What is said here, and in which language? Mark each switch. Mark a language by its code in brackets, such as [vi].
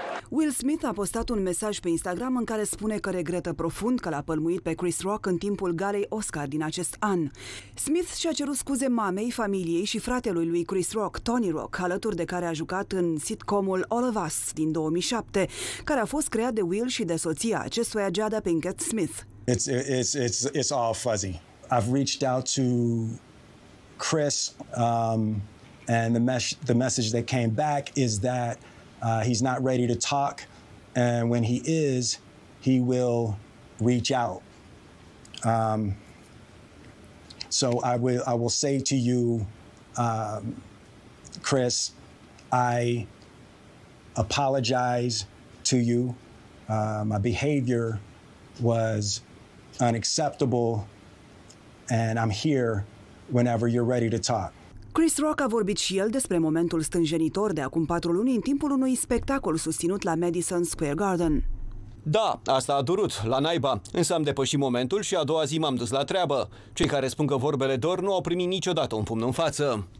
[ro] Will Smith a postat un mesaj pe Instagram în care spune că regretă profund că l-a pălmuit pe Chris Rock în timpul galei Oscar din acest an. Smith și-a cerut scuze mamei, familiei și fratelui lui Chris Rock, Tony Rock, alături de care a jucat în sitcomul All of Us din 2007, care a fost creat de Will și de soția acestuia, Jada Pinkett Smith. [en] It's all fuzzy. I've reached out to Chris and the message that came back is that he's not ready to talk, and when he is, he will reach out. So I will say to you, Chris, I apologize to you. My behavior was unacceptable, and I'm here whenever you're ready to talk. [ro] Chris Rock a vorbit și el despre momentul stânjenitor de acum 4 luni în timpul unui spectacol susținut la Madison Square Garden. Da, asta a durut, la naiba, însă am depășit momentul și a doua zi m-am dus la treabă. Cei care spun că vorbele dor nu au primit niciodată un pumn în față.